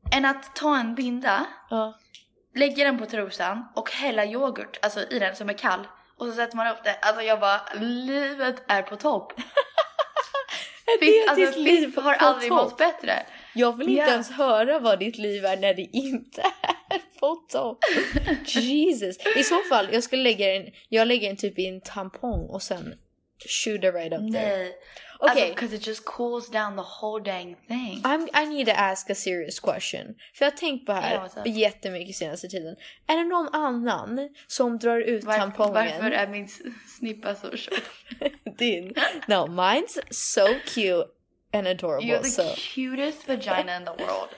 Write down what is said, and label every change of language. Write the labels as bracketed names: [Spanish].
[Swedish] Än att ta en binda, lägga den på trosan och hälla yoghurt, alltså i den som är kall, och så sätter man upp det, alltså jag bara, livet är på topp. Alltså, ditt liv har aldrig topp. Mått bättre. Jag vill inte ens höra vad ditt liv är när det inte är på topp. Jesus. I så fall, jag lägger en typ i en tampong och sen [English] shoot it right up there. Okay, because it just cools down the whole dang thing. I need to ask a serious question. [Swedish] För jag tänkt på här jättemycket senaste tiden. Är det någon annan som drar ut tampongen? Varför är min snippa så short? Din. [English] No, mine's so cute and adorable. You have the cutest vagina in the world.